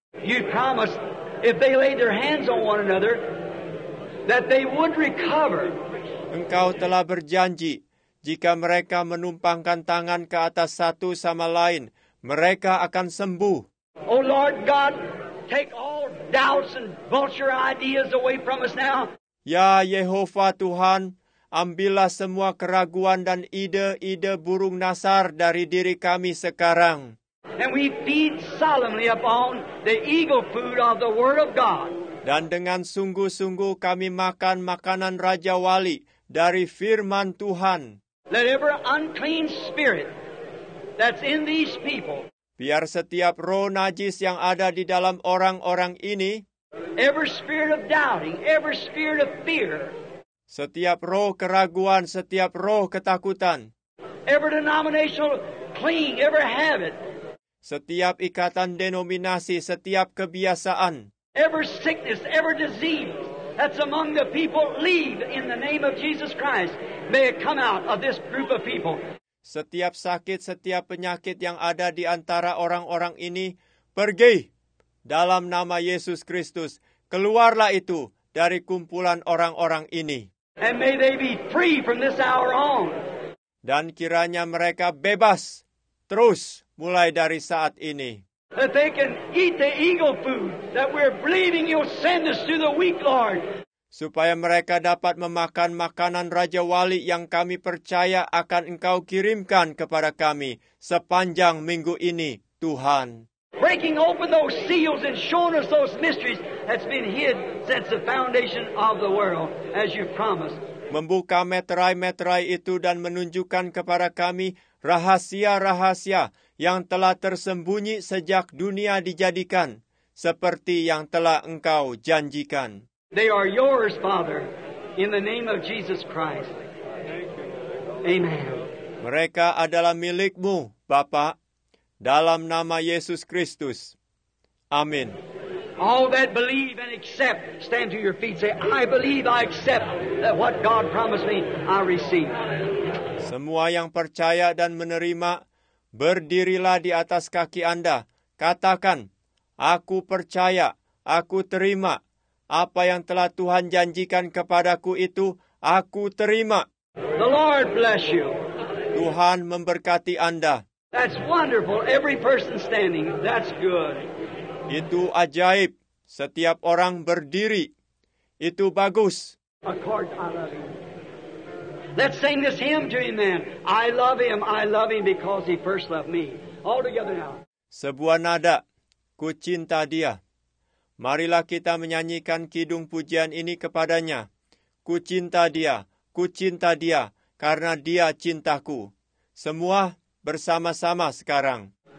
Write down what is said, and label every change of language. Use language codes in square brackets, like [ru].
[en] You promised if they laid their hands on one another that they would recover. [id] Engkau telah berjanji jika mereka menumpangkan tangan ke atas satu sama lain, mereka akan sembuh. [en] Oh Lord God, take all doubts and vulture ideas away from us now. [id] Ya Yehovah Tuhan, ambillah semua keraguan dan ide-ide burung nasar dari diri kami sekarang. [en] And we feed solemnly upon the eagle food of the Word of God. [id] Dan dengan sungguh-sungguh kami makan makanan Raja Wali dari firman Tuhan. [en] Let every unclean spirit that's in these people. [id] Biar setiap roh najis yang ada di dalam orang-orang ini. [en] Every spirit of doubting, every spirit of fear. [id] Setiap roh keraguan, setiap roh ketakutan. [en] Every denominational cling, every habit. [id] Setiap ikatan denominasi, setiap kebiasaan. [en] Every sickness, every disease that's among the people, leave in the name of Jesus Christ. May it come out of this group of people. [id] Setiap sakit, setiap penyakit yang ada di antara orang-orang ini, pergi dalam nama Yesus Kristus. Keluarlah itu dari kumpulan orang-orang ini. [en] And may they be free from this hour on. [id] Dan kiranya mereka bebas terus mulai dari saat ini. [en] That they can eat the eagle food that we're believing you'll send us to the weak, Lord. [id] Supaya mereka dapat memakan makanan Raja Wali yang kami percaya akan Engkau kirimkan kepada kami sepanjang minggu ini, Tuhan. [en] Breaking open those seals and showing us those mysteries that's been hid since the foundation of the world, as you promised. [id] Membuka meterai-meterai itu dan menunjukkan kepada kami rahasia-rahasia yang telah tersembunyi sejak dunia dijadikan, seperti yang telah Engkau janjikan. [en] They are yours, Father, in the name of Jesus Christ. Amen. [id] Mereka adalah milikmu, Bapa, dalam nama Yesus Kristus. Amin. [en] All that believe and accept, stand to your feet, say, I believe, I accept that what God promised me, I receive. [id] Semua yang percaya dan menerima, berdirilah di atas kaki Anda. Katakan, aku percaya, aku terima. Apa yang telah Tuhan janjikan kepadaku itu, aku terima. [en] The Lord bless you. [id] Tuhan memberkati Anda. [en] That's wonderful. Every person standing, that's good. [id] Itu ajaib. Setiap orang berdiri. Itu bagus. [en] Accord, I love him. Let's sing this hymn to him then. I love him because he first loved me. All together now. [id] Sebuah nada. Ku cinta dia. Marilah kita menyanyikan kidung pujian ini kepadanya. Ku cinta dia, karena dia cintaku. Semua bersama-sama sekarang.